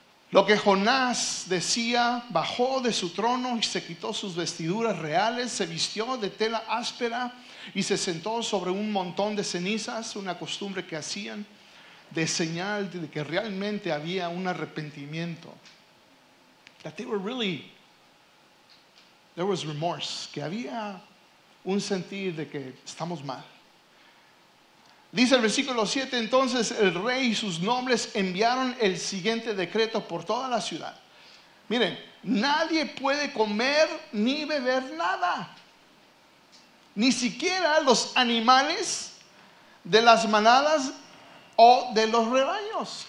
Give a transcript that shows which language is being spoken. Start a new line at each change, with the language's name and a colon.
Spanish: Lo que Jonás decía, bajó de su trono y se quitó sus vestiduras reales, se vistió de tela áspera y se sentó sobre un montón de cenizas, una costumbre que hacían de señal de que realmente había un arrepentimiento.
English: That they were really, there was remorse,
Spanish: que había un sentir de que estamos mal. Dice el versículo 7, entonces el rey y sus nobles enviaron el siguiente decreto por toda la ciudad. Miren, nadie puede comer ni beber nada. Ni siquiera los animales de las manadas o de los rebaños.